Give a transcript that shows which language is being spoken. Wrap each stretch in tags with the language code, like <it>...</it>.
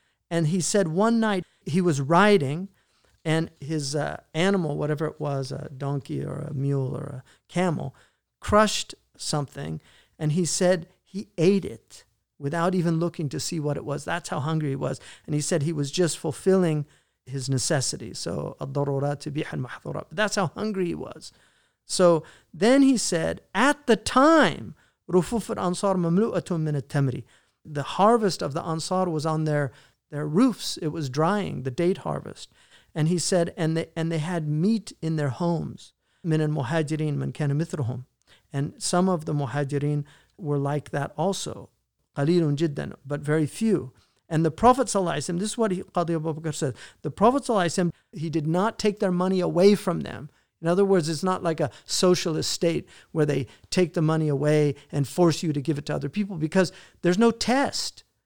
<en>And he said one night he was riding and his animal, whatever it was, a donkey or a mule or a camel, crushed something. And he said he ate it without even looking to see what it was. That's how hungry he was. And he said he was just fulfilling his necessity.</en> <ar>So, الضرورات تبيح المحظورات.</ar> <en>That's how hungry he was. So then he said, at the time,</en> <ar>رفوف الأنصار مملوءة من التمر.</ar> <en>The harvest of the Ansar was on their roofs. It was drying, the date harvest. And he said, and they had meat in their homes.</en> <ar>من المهاجرين من كان مثلهم.</ar> <en>And some of the muhajirin were like that also.</en> <ar>قليلٌ جدا,</ar> <en>but very few. And the Prophet ﷺ, this is what Qadi Abu Bakr said, the Prophet ﷺ, he did not take their money away from them. In other words, it's not like a socialist state where they take the money away and force you to give it to other people, because there's no test.</en>